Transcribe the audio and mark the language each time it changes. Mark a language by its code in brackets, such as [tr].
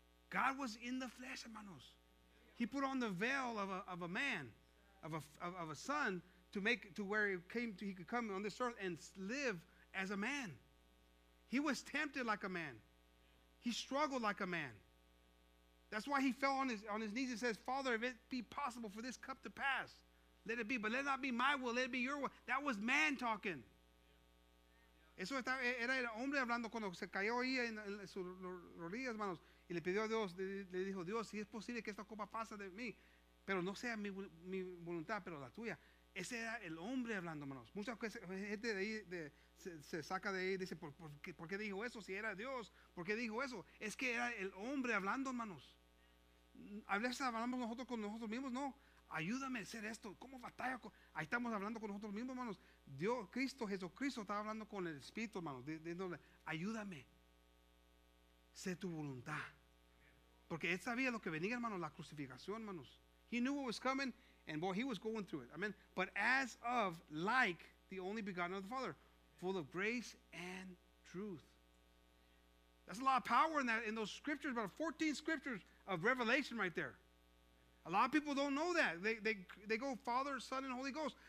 [en] God was in the flesh, hermanos. He put on the veil of a man, of a son, he could come on this earth and live as a man. He was tempted like a man. He struggled like a man. That's why he fell on his knees and says, Father, if it be possible for this cup to pass, let it be, but let it not be my will, let it be your will. That was man talking. [es] Eso era el hombre hablando cuando se cayó ahí en sus rodillas, hermanos, y le pidió a Dios, le dijo, Dios, si es posible que esta copa pase de mí, pero no sea mi voluntad, pero la tuya. Ese era el hombre hablando, hermanos. Mucha gente de ahí se saca de ahí y dice, ¿por qué dijo eso? Si era Dios, ¿por qué dijo eso? Es que era el hombre hablando, hermanos. A veces hablamos nosotros con nosotros mismos, no. Ayúdame a hacer esto. ¿Cómo batalla? Ahí estamos hablando con nosotros mismos, hermanos. Dios, Cristo, Jesucristo, estaba hablando con el Espíritu, hermanos. Diciéndole, ayúdame. Sé tu voluntad. Porque él sabía lo que venía, hermanos, la crucificación, hermanos. [en] He knew what was coming, and boy, he was going through it. Amen. But as of, like, the only begotten of the Father, full of grace and truth. That's a lot of power in those scriptures, about 14 scriptures of revelation right there. A lot of people don't know that. They go Father, Son, and Holy Ghost.